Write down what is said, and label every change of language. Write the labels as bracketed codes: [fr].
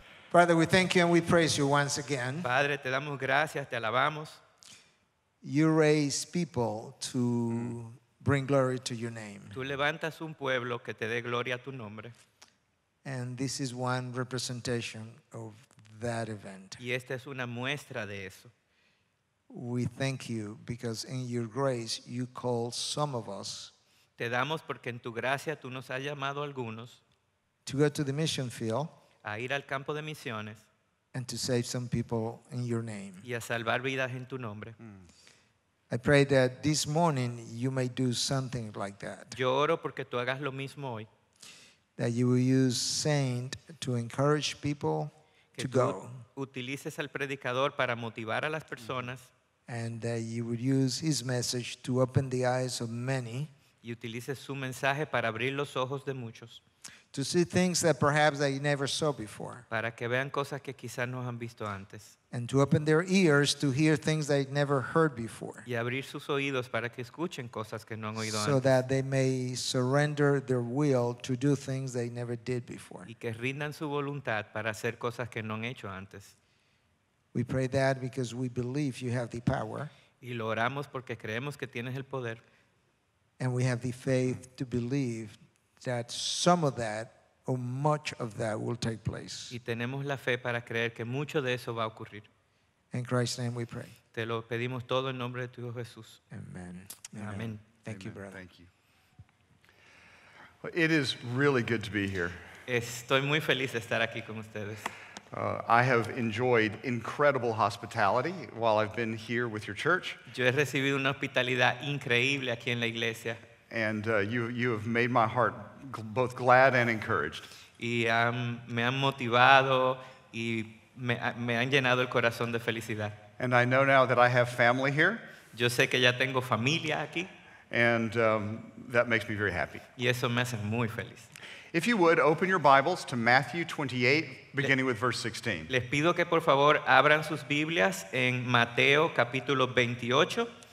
[en] Father, we thank you and we praise you once again. [es] Padre, te damos gracias, te alabamos. [en] You raise people to bring glory to your name. [es] Tú levantas un pueblo que te dé gloria a tu nombre. [en] And this is one representation of that event. [es] Y esta es una muestra de eso. [en] We thank you because in your grace you call some of us. [es] Te damos porque en tu gracia tú nos has llamado algunos. [en] To go to the mission field. [es] A ir al campo de misiones. [en] And to save some people in your name. [es] Y a salvar vidas en tu nombre. [en] I pray that this morning you may do something like that. [es] Yo oro porque tú hagas lo mismo hoy. [en] That you will use saint to encourage people [es] que [en] to go. [es] Utilices al predicador para motivar a las personas. [en] And that you would use his message to open the eyes of many. [es] Y utilices su mensaje para abrir los ojos de muchos. [en] To see things that perhaps they never saw before. [es] Para que vean cosas que quizás no han visto antes. [en] And to open their ears to hear things they never heard before. [es] Y abrir sus oídos para que escuchen cosas que no han oído antes. [en] So that they may surrender their will to do things they never did before. [es] Y que rindan su voluntad para hacer cosas que no han hecho antes. [en] We pray that because we believe you have the power. [es] Y lo oramos porque creemos que tienes el poder. [en] And we have the faith to believe that some of that or much of that will take place. [es] Y tenemos la fe para creer que mucho de eso va a ocurrir. [en] In Christ's name we pray. [es] Te lo pedimos todo en nombre de tu Hijo Jesús. [en] Amen. Amen. Amen. Thank Amen. You, brother. Thank you. Well, it is really good to be here. [es] Estoy muy feliz de estar aquí con ustedes. [en] I have enjoyed incredible hospitality while I've been here with your church. [es] Yo he recibido una hospitalidad increíble aquí en la iglesia. [en] And you have made my heart both glad and encouraged. [es] Y me han motivado y me han llenado el corazón de felicidad. [en] And I know now that I have family here. [es] Yo sé que ya tengo familia aquí. [en] And that makes me very happy. [es] Y eso me hace muy feliz. [en] If you would, open your Bibles to Matthew 28, beginning with verse 16. [es] Les pido que por favor abran sus Biblias en Mateo capítulo 28.